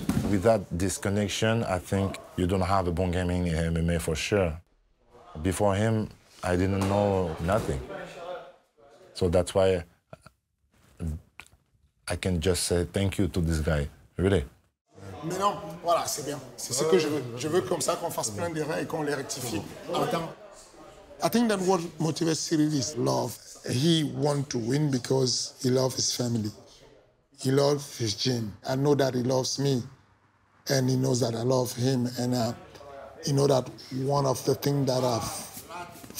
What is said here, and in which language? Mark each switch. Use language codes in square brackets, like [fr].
[en] Without this connection, I think you don't have a bon gaming in MMA for sure. Before him, I didn't know nothing. So that's why I can just say thank you to this guy, really. [fr] Mais non, voilà, c'est bien. C'est ce que je veux. Je veux comme ça qu'on fasse plein d'erreurs et qu'on les rectifie. Attends. [en] I think that what motivates Ciryl is love. He wants to win because he loves his family. He loves his gym. I know that he loves me, and he knows that I love him. And you know that one of the things that I've